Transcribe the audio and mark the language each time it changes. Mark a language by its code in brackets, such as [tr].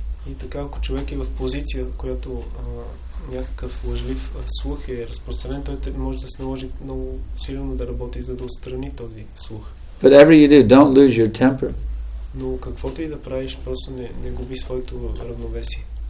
[bg] И така, ако човек е в позиция, която някакъв лъжлив слух е разпространен, той може да се наложи много силно да работи, за да отстрани този слух. [en] Whatever you do, don't lose your temper. [bg] Но каквото и да правиш, просто не губи своето равновесие.